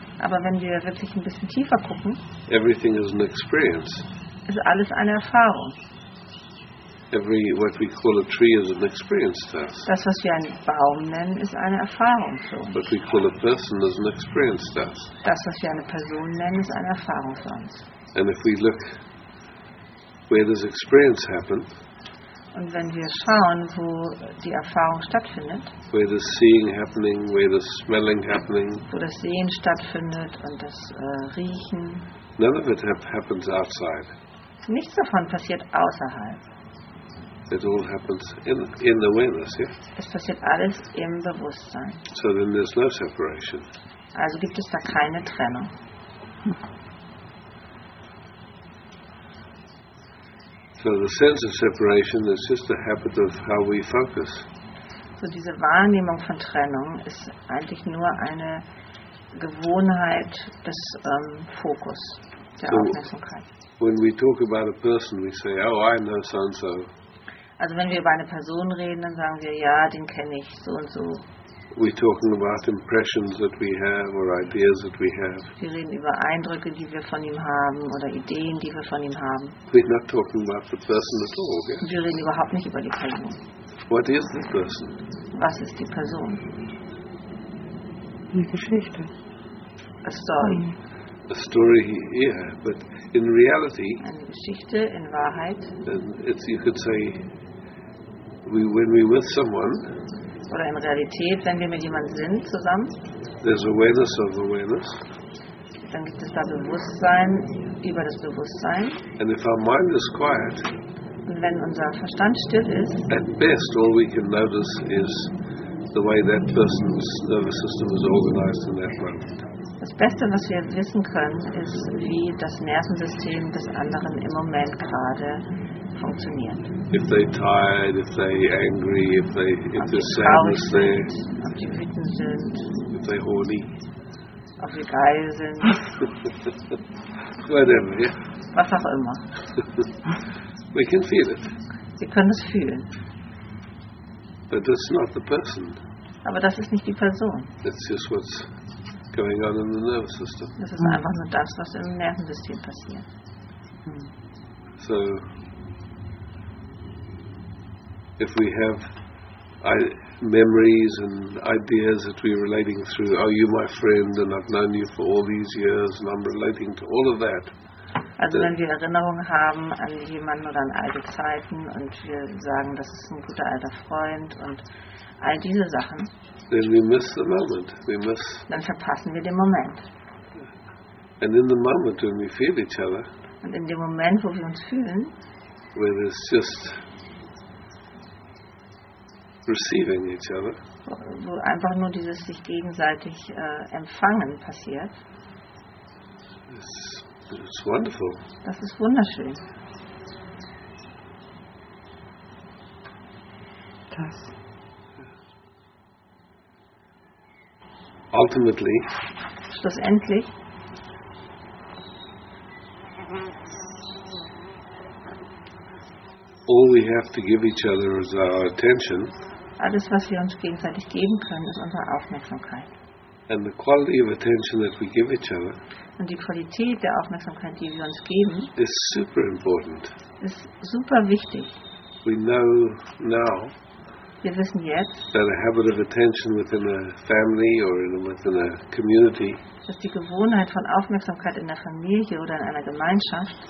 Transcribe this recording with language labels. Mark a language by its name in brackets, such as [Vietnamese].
[German] aber wenn wir wirklich ein bisschen tiefer gucken, [English] everything is an experience. [German] Ist alles eine Erfahrung. [English] Every what we call a tree is an experience to us. [German] Das, was wir einen Baum nennen, ist eine Erfahrung für uns. [English] What we call a person is an experience to us. [German] Das, was wir eine Person nennen, ist eine Erfahrung für uns. [English] And if we look where this experience happened, [German] und wenn wir schauen, wo die Erfahrung stattfindet, [English] where the seeing happening, where the smelling happening, [German] wo das Sehen stattfindet und das Riechen, [English] none of it happens outside. [German] Nichts davon passiert außerhalb. [English] It all happens in awareness, yeah? [German] Es passiert alles im Bewusstsein. [English] So then there's no separation. [German] Also gibt es da keine Trennung. [English] So the sense of separation is just a habit of how we focus. [German] So diese Wahrnehmung von Trennung ist eigentlich nur eine Gewohnheit des Fokus, der Aufmerksamkeit. [English] When we talk about a person, we say, oh, I know so and so. [German] Also wenn wir über eine Person reden, dann sagen wir, ja, den kenne ich, so und so. [English] we're talking about impressions that we have or ideas that we have. [German] Wir reden über Eindrücke, die wir von ihm haben oder Ideen, die wir von ihm haben. [English] We're not talking about the person at all, yeah? [German] Wir reden überhaupt nicht über die Person. [English] What is the person? [German] Was ist die Person? Die Geschichte. [English] A story. A story, yeah, but in reality. [German] Eine Geschichte in Wahrheit. [English] It's, you could say, we, when we're with someone. [German] Oder in Realität, wenn wir mit jemandem sind zusammen. [English] There's awareness of awareness. [German] Dann gibt es da Bewusstsein über das Bewusstsein. [English] And if our mind is quiet. [German] Und wenn unser Verstand still ist. [English] At best, all we can notice is the way that person's nervous system is organized in that moment. [German] Das Beste, was wir wissen können, ist, wie das Nervensystem des anderen im Moment gerade funktioniert. [English] If they tired, if they angry, if they if the sadness there, [German] ob sie wütend sind, [English] if they horny, [German] ob sie geil sind, [English] whatever, yeah. [German] Was auch immer. [English] We can feel it. [German] Wir können es fühlen. [English] But that's not the person. [German] Aber das ist nicht die Person. [English] It's just what's going on in the nervous system. [German] Das ist einfach nur das, was im Nervensystem passiert. [English] So, if we have memories and ideas that we're relating through, are you my friend and I've known you for all these years and I'm relating to all of that. [German] Also wenn wir Erinnerungen haben an jemanden oder an alte Zeiten und wir sagen, das ist ein guter alter Freund und all diese Sachen, [English] then we miss the moment. We miss, [German] dann verpassen wir den Moment. [English] And in the moment when we feel each other, [German] und in dem Moment, wo wir uns fühlen, [English] where there's just receiving each other, [German] wo einfach nur dieses sich gegenseitig empfangen passiert, [English] it's wonderful. [German] Das ist wunderschön. Das. [English] Ultimately. [German] Schlussendlich. [English] All we have to give each other is our attention. [German] Alles, was wir uns gegenseitig geben können, ist unsere Aufmerksamkeit. [English] And the quality of attention that we give each other. [German] Und die Qualität der Aufmerksamkeit, die wir uns geben, [English] is super important. [German] Ist super wichtig. [English] We know now. [German] Wir wissen jetzt. [English] That a habit of attention within a family or within a community. [German] Dass die Gewohnheit von Aufmerksamkeit in der Familie oder in einer Gemeinschaft.